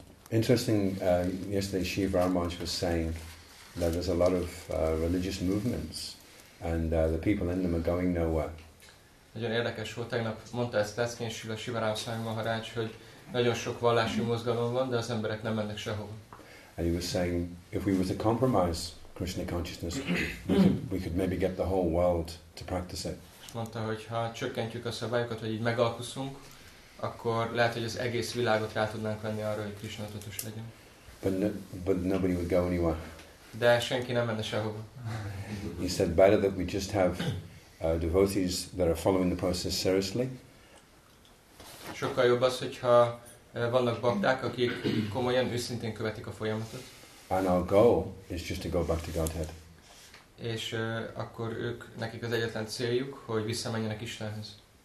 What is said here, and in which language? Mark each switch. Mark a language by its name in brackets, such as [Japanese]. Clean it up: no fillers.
[English] Interesting, yesterday Sri Varmaj was saying that there's a lot of religious movements and the people in them are going nowhere. [Hungarian] Nagyon érdekes volt, tegnap mondta ezt Leszkén Srila Sivaram Swami Maharaj, hogy nagyon sok vallási mozgalom van, de az emberek nem mennek sehova. [English] And he was saying, if we were to compromise Krishna consciousness, we could maybe get the whole world to practice it. [Hungarian] És mondta, hogy ha csökkentjük a szabályokat, hogy így megalkuszunk, akkor lehet, hogy az egész világot rá tudnánk venni arra, hogy Krishna tudatos legyen. [English] But nobody would go anywhere. [Hungarian] De senki nem menne sehova. [English] He said, better that we just have devotees that are following the process seriously. [Hungarian] Sokkal jobb az, hogyha vannak bakták, akik komolyan, őszintén követik a folyamatot. [English] And our goal is just to go back to Godhead. [Hungarian] És akkor ők, nekik az egyetlen céljuk, hogy visszamenjenek Istenhez.